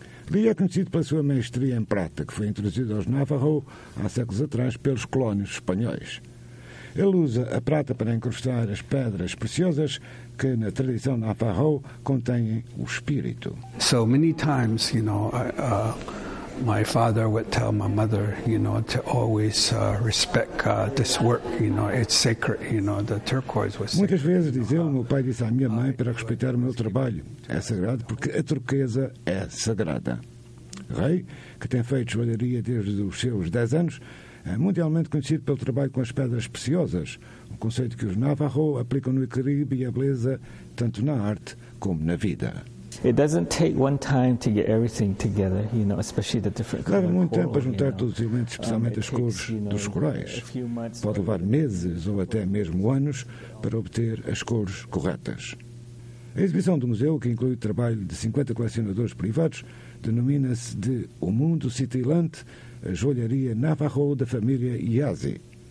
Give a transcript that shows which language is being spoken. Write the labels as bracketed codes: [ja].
[pt] Lee é conhecido pela sua maestria em prata, que foi introduzida aos Navajo há séculos atrás pelos colónios espanhóis. Ele usa a prata para encrustar as pedras preciosas que, na tradição Navajo, contêm o espírito. [en] So many times, you know, My father would tell my mother, you know, to always respect this work, you know, it's sacred, you know, the turquoise was sacred. [pt] Muitas vezes, diz ele, meu pai disse à minha mãe para respeitar o meu trabalho. É sagrado porque a turquesa é sagrada. Rei, que tem feito joalharia desde os seus 10 anos, é mundialmente conhecido pelo trabalho com as pedras preciosas, um conceito que os Navajo aplicam no equilíbrio e a beleza, tanto na arte como na vida. [en] It doesn't take one time to get everything together, you know, especially the different colors. [pt] Leva muito tempo a juntar todos os elementos, especialmente as cores dos corais. Pode levar meses ou até mesmo anos para obter as cores corretas. A exibição do museu, que inclui o trabalho de 50 colecionadores privados, denomina-se de O Mundo Citilante, a joalharia Navajo da família Yazi.